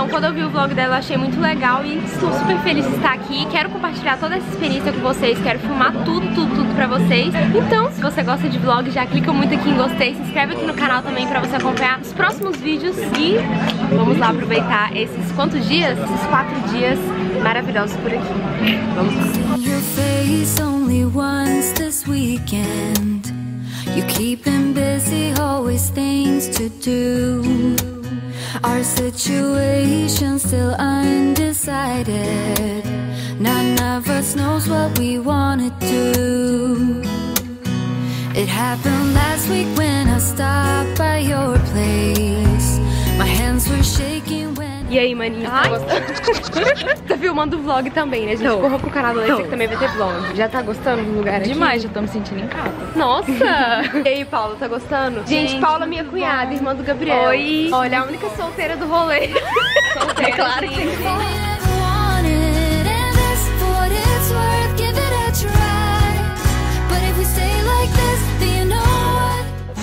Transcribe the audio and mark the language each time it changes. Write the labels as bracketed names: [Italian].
[Portuguese] Então quando eu vi o vlog dela, eu achei muito legal e estou super feliz de estar aqui, quero compartilhar toda essa experiência com vocês, quero filmar tudo, tudo, tudo pra vocês. Então, se você gosta de vlog, já clica muito aqui em gostei, se inscreve aqui no canal também pra você acompanhar os próximos vídeos e vamos lá aproveitar esses quantos dias? Esses 4 dias maravilhosos por aqui. Vamos lá. [English] Only once this weekend, you keep him busy, always things to do. Our situation still undecided, none of us knows what we wanna do. It happened last week when I stopped by your place, my hands were shaking. [Portuguese] E aí, maninha? Ai. Tá filmando o vlog também, né? A gente corra pro canal desse que também vai ter vlog. Já tá gostando do lugar demais, aqui? Demais, já tô me sentindo em casa. Nossa! E aí, Paula, tá gostando? Gente, Paula, minha cunhada, bom. Irmã do Gabriel. Oi! Olha, a única solteira do rolê. Solteira, claro, sim.